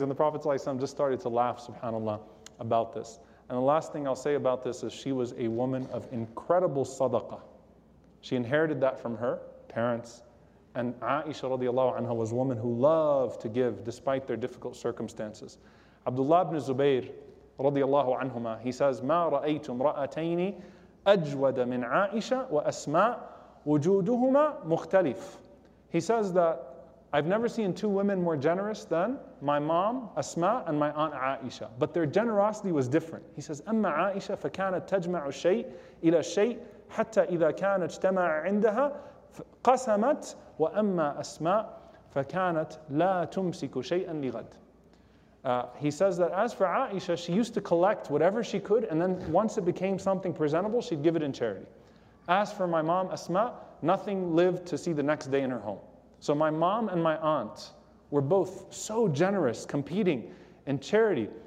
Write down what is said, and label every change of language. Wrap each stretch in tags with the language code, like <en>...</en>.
<en>And the Prophet ﷺ just started to laugh, subhanAllah, about this. And the last thing I'll say about this is she was a woman of incredible sadaqah. She inherited that from her parents. And Aisha radiallahu anha was a woman who loved to give despite their difficult circumstances.</en> <ar>Abdullah ibn Zubayr radiallahu anhuma,</ar> <en>he says,</en> <ar>ما رأيت امرأتين أجود من عائشة وأسماء وجودهما مختلف.</ar> <en>He says that I've never seen two women more generous than my mom, Asma, and my aunt Aisha. But their generosity was different. He says,</en> <ar>أما عائشة فكانت تجمع الشيء إلى شيء حتى إذا كان اجتمع عندها قسمت وأما أسماء فكانت لا تمسك شيئا لغد.</ar> <en>He says that as for Aisha, she used to collect whatever she could, and then once it became something presentable, she'd give it in charity. As for my mom, Asma, nothing lived to see the next day in her home. So my mom and my aunt were both so generous, competing in charity.</en>